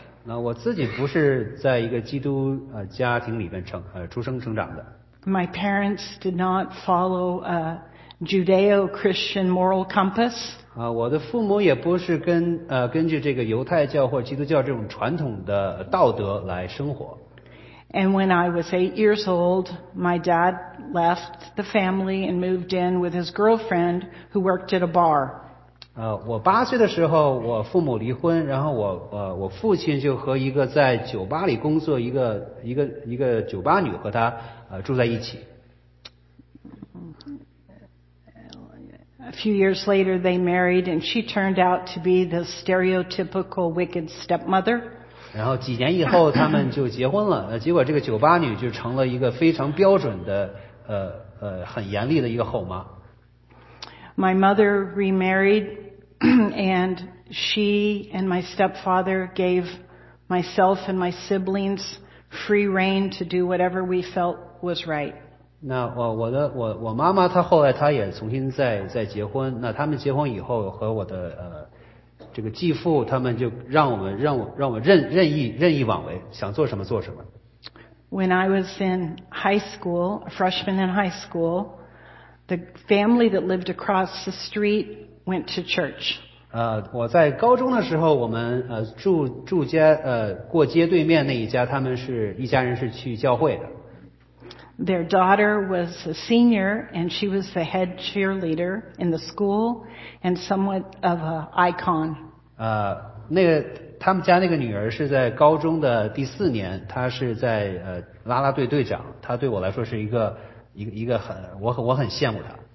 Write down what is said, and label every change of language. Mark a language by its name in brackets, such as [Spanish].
[Chinese] 那我自己不是在一个基督家庭里面出生成长的。 [English] My parents did not follow a Judeo-Christian moral compass. [Chinese] 我的父母也不是根据这个犹太教或基督教这种传统的道德来生活。 [English] And when I was 8 years old, my dad left the family and moved in with his girlfriend who worked at a bar. [Chinese] 我八岁的时候我父母离婚，然后我父亲就和一个在酒吧里工作一个酒吧女和他住在一起。 [English] A few years later they married and she turned out to be the stereotypical wicked stepmother. [Chinese] 然后几年以后他们就结婚了，结果这个酒吧女就成了一个非常标准的很严厉的一个后妈。 [English] My mother remarried and she and my stepfather gave myself and my siblings free rein to do whatever we felt was right. [Chinese] 那我妈妈她后来她也重新再结婚，那他们结婚以后和我的这个继父他们就让我们任意妄为，想做什么做什么。 [English] When I was in high school, a freshman in high school, the family that lived across the street went to church. [Chinese] 我在高中的时候，我们住街过街对面那一家，他们是一家人是去教会的。 [English] Their daughter was a senior, and she was the head cheerleader in the school, and somewhat of an icon. [Chinese] 他们家那个女儿是在高中的第四年，她是在拉拉队队长，她对我来说是一个很我很羡慕她。